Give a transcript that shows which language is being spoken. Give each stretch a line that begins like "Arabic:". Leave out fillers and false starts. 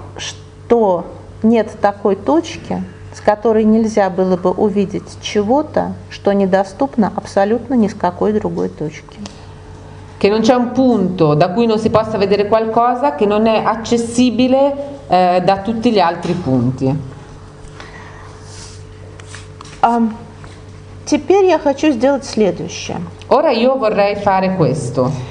Russian: Что нет такой точки, с которой нельзя было бы увидеть чего-то, что недоступно абсолютно ни с какой другой точки.
Italian: Che non c'è un punto da cui non si possa vedere qualcosa che non è accessibile da tutti gli altri punti.
Russian: Теперь я хочу сделать следующее.
Italian: Ora io vorrei fare questo.